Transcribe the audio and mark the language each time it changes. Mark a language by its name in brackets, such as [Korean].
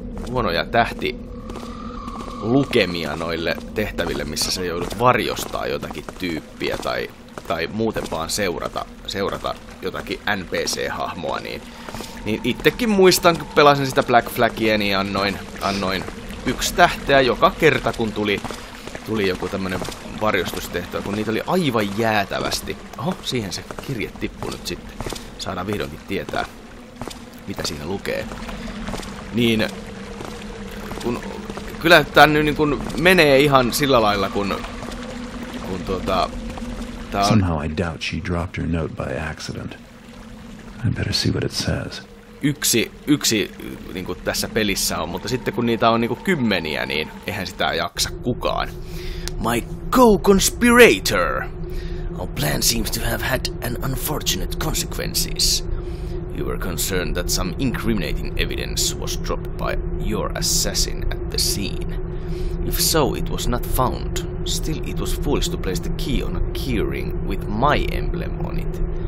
[Finnish] huonoja tähtilukemia noille tehtäville, missä sä joudut varjostaa jotakin tyyppiä tai muuten vaan seurata jotakin NPC-hahmoa, niin itsekin muistan, kun pelasin sitä Black Flagia, niin annoin yksi tähteä joka kerta, kun tuli joku tämmönen varjostustehtävä, kun niitä oli aivan jäätävästi. Oho, siihen se kirje tippui nyt sitten. Saadaan vihdoinkin tietää, mitä siinä lukee. Niin, kun kyllä tämä nyt niin kuin menee ihan sillä lailla, kun tuota... [English] Somehow I doubt she dropped her note by accident. I better see what it says. [Finnish] Yksi niin kuin tässä pelissä on, mutta sitten kun niitä on niin kuin kymmeniä, niin eihän sitä jaksa kukaan. [English] My co-conspirator. Our plan seems to have had an unfortunate consequences. You were concerned that some incriminating evidence was dropped by your assassin at the scene. If so, it was not found. Still, it was foolish to place the key on a keyring with my emblem on it.